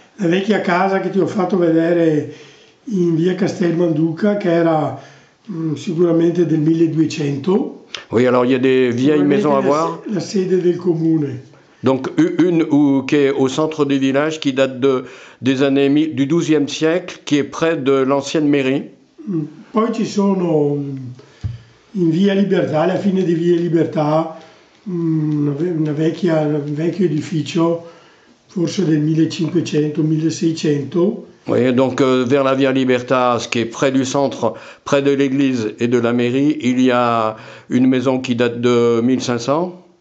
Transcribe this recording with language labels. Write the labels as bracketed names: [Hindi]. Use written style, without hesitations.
[Italian] La vecchia casa che ti ho fatto vedere in via Castel Manduca, che era sicuramente del 1200. [French] Oui, alors il y a des vieilles maisons à voir. [Italian] La sede del comune. [French] Donc une ou qui est au centre du village, qui date des années du 12e siècle, qui est près de l'ancienne mairie. [Italian] Poi ci sono in via Libertà, alla fine di via Libertà, un vecchio edificio, forse del 1500-1600. [French] Oui, donc vers la via Libertà, ce qui est près du centre, près de l'église et de la mairie, il y a une maison qui date de 1500.